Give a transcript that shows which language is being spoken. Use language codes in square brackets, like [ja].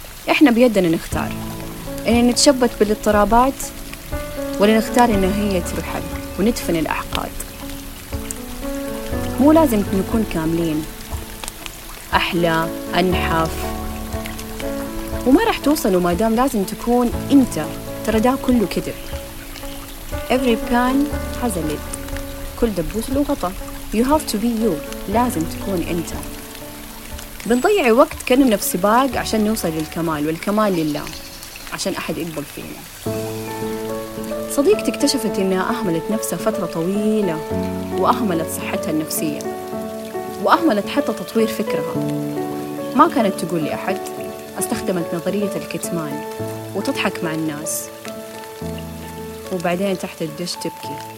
[ar] إحنا بيدنا نختار إن نتشبث بالاضطرابات ولا نختار إن هي ترحل وندفن الأحقاد. مو لازم نكون كاملين أحلى أنحف، وما رح توصل وما دام لازم تكون أنت، ترى ده كله كذب. [en] Every pan has a lid، [ar] كل دبوس له غطا. [en] You have to be you، [ar] لازم تكون أنت. بنضيع وقت كأننا في سباق عشان نوصل للكمال، والكمال لله عشان أحد يقبل فينا. صديقتي اكتشفت أنها أهملت نفسها فترة طويلة وأهملت صحتها النفسية وأهملت حتى تطوير فكرها، ما كانت تقول لأحد، استخدمت نظرية الكتمان وتضحك مع الناس وبعدين تحت الدش تبكي.